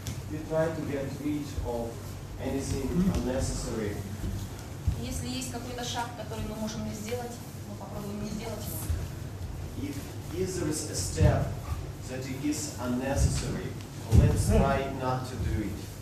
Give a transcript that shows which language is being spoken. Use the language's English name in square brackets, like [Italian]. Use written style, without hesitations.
[English] We try to get rid of anything unnecessary. [Russian] Если есть какой-то шаг, который мы можем не сделать, мы попробуем не сделать его. [English] If there is a step that is unnecessary, let's try not to do it.